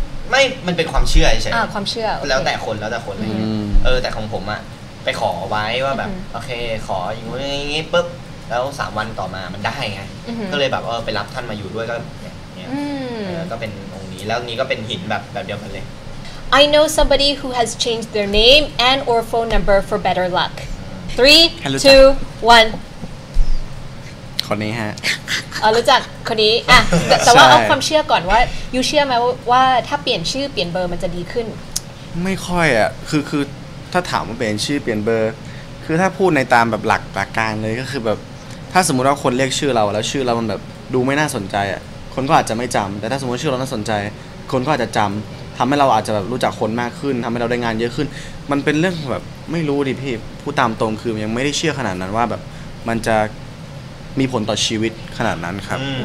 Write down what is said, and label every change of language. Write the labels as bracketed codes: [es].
[th] ไม่มันเป็นความเชื่อใช่ไหม ความเชื่อ แล้วแต่คนแล้วแต่คนอะไรเงี้ยแต่ของผมอ่ะไปขอไว้ว่าแบบโอเคขออย่างงี้ปุ๊บแล้ว3วันต่อมามันได้ไงก็เลยแบบไปรับท่านมาอยู่ด้วยก็เนี่ยก็เป็นองค์นี้แล้วนี้ก็เป็นหินแบบเดียวกันเลย [en] I know somebody who has changed their name and or phone number for better luck. 3, 2, 1. [th] คนนี้ฮะ รู้จักคนนี้อ่ะแต่ว่าเอาความเชื่อก่อนว่ายูเชื่อไหมว่าถ้าเปลี่ยนชื่อเปลี่ยนเบอร์มันจะดีขึ้น ไม่ค่อยอ่ะคือถ้าถามว่าเปลี่ยนชื่อเปลี่ยนเบอร์คือถ้าพูดในตามแบบหลักการเลยก็คือแบบถ้าสมมติว่าคนเรียกชื่อเราแล้วชื่อเรามันแบบดูไม่น่าสนใจอ่ะคนก็อาจจะไม่จำแต่ถ้าสมมติชื่อเราน่าสนใจคนก็อาจจะจำทำให้เราอาจจะแบบรู้จักคนมากขึ้นทำให้เราได้งานเยอะขึ้นมันเป็นเรื่องแบบไม่รู้ดิพี่ผู้ตามตรงคือยังไม่ได้เชื่อขนาดนั้นว่าแบบมันจะมีผลต่อชีวิตขนาดนั้นครับ